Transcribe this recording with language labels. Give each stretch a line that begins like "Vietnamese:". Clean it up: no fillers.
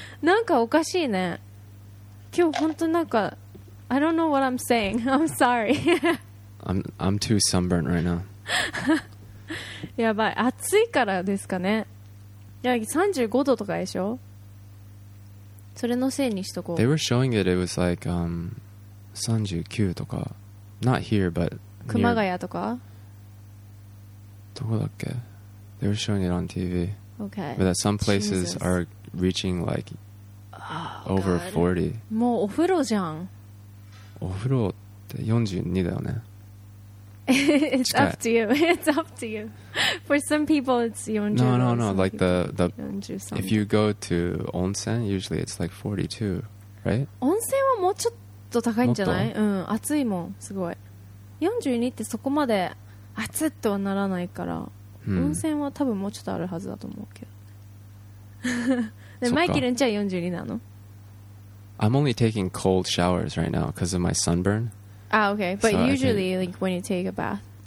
Japanese: なんかおかしいね。今日本当なんか
English: I don't know what I'm saying. I'm sorry. I'm too sunburnt right now.
Japanese: やばい。暑いからですかね。いや、35度とかでしょ? それのせいにしとこう。
English: They were showing it. It was like 39とか。 Not here, but near...
Japanese: 熊谷とか? どこだっけ?
English: They were showing it on TV. Okay. But that some places are reaching like Over 40.
Japanese: もうお風呂じゃん。お風呂って42だよね。
English: It's up to you. It's up to you. For some people, it's 40. No, no, no. Like the if you go to onsen, usually it's like 42, right?
Japanese: 温泉はもうちょっと高いんじゃない？うん、暑いもん、すごい。 42ってそこまで暑っとはならないから、hmm. 温泉は多分もうちょっとあるはずだと思うけど。でマイケルんちは42なの？
English: I'm only taking cold showers right now because of my sunburn. Ah, okay. But so usually, think, like when you take a bath.